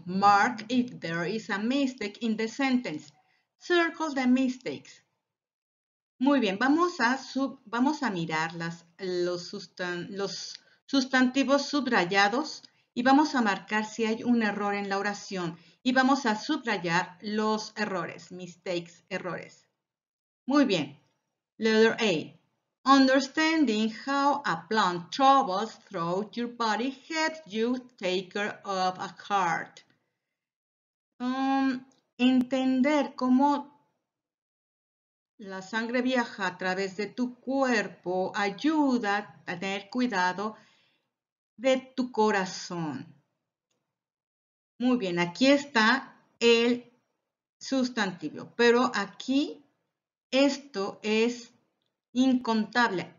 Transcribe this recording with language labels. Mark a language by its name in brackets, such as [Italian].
[English] Mark if there is a mistake in the sentence. Circle the mistakes. [Spanish] Muy bien, vamos a mirar los sustantivos subrayados y vamos a marcar si hay un error en la oración. Y vamos a subrayar los errores, mistakes, errores. Muy bien. [English] Letter A. Understanding how a plant travels throughout your body helps you take care of a heart. [Spanish] Entender cómo la sangre viaja a través de tu cuerpo ayuda a tener cuidado de tu corazón. Muy bien, aquí está el sustantivo, pero aquí esto es incontable.